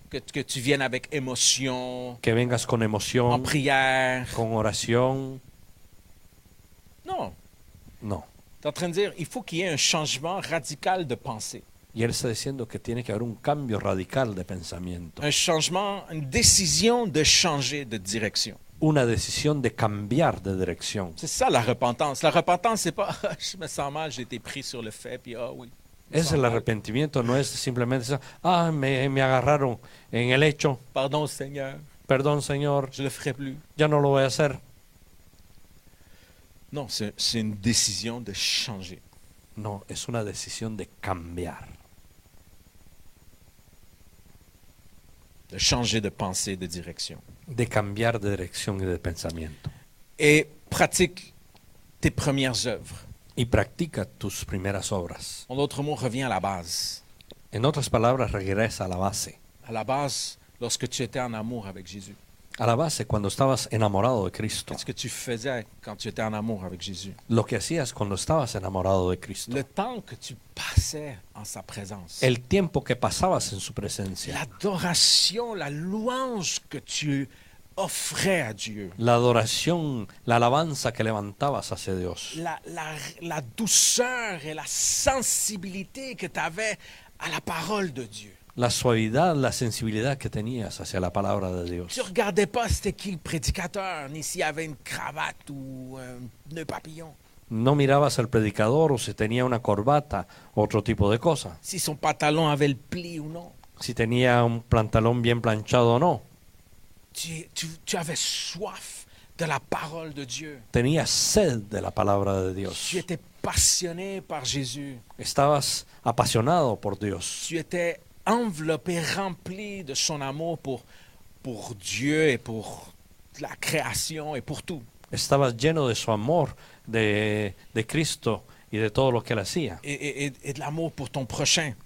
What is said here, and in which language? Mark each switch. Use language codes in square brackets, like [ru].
[fr] Que tu viennes avec émotion. [es] Que vengas con emoción. [fr] En prière. [es] Con oración. [fr] Non. Non. Tu es en train de dire il faut qu'il y ait un changement radical de pensée. [es] Y él está diciendo que tiene que haber un cambio radical de pensamiento. [fr] Un changement, une décision de changer de direction. [es] Una decisión de cambiar de dirección. [fr] C'est ça la repentance. La repentance c'est pas je me sens mal, j'ai été pris sur le fait puis oui. [es] Ese es el arrepentimiento, no es simplemente me agarraron en el hecho. [fr] Pardon Seigneur. [es] Perdón Señor. [fr] Je le ferai plus. [es] Ya no lo voy a hacer. [fr] Non, c'est une décision de changer. [es] Non, es una decisión de cambiar. [fr] De changer de pensée, de direction. [es] De cambiar de dirección y de pensamiento. [fr] Et pratique tes premières œuvres. [es] Y practica tus primeras obras. [fr] En d'autres mots, reviens à la base. [es] En otras palabras, regresa a la base. [fr] À la base, lorsque tu étais en amour avec Jésus. [es] A la base, cuando estabas enamorado de Cristo. [fr] Qu'est-ce que tu faisais quand tu étais en amour avec Jésus? [es] Lo que hacías cuando estabas enamorado de Cristo. [fr] Le temps que tu passais en sa présence. [es] El tiempo que pasabas en su presencia. [fr] L'adoration, la louange que tu offrais à Dieu. [es] La adoración, la alabanza que levantabas hacia Dios. [fr] La douceur et la sensibilité que tu avais à la parole de Dieu. [es] La suavidad, la sensibilidad que tenías hacia la palabra de Dios. [fr] Tu regardais pas c'était qui le prédicateur, ni si avait une cravate ou un nœud papillon. [es] No mirabas al predicador o si tenía una corbata, otro tipo de cosa. [fr] Si son pantalon avait le pli ou non. [es] Si tenía un pantalón bien planchado o no. [fr] Tu avais soif de la parole de Dieu. [es] Tenías sed de la palabra de Dios. [fr] Tu étais passionné par Jésus. [es] Estabas apasionado por Dios. [fr] Tu étais enveloppé, rempli de son amour pour Dieu et pour la création et pour tout. [es] Estabas lleno de su amor de Cristo y de todo lo que él hacía. [fr] Et de l'amour pour ton prochain.